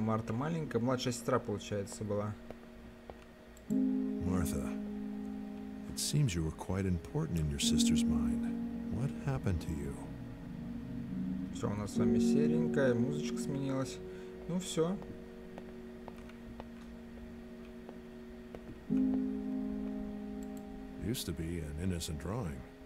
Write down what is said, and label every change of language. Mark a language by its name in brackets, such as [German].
[Russian] Марта маленькая, младшая сестра, получается, была. [English] Martha, it seems you were quite important in your sister's mind. What happened to you? [Russian] Все, у нас с вами серенькая, музычка сменилась. Ну все. [English] Used to be an innocent drawing.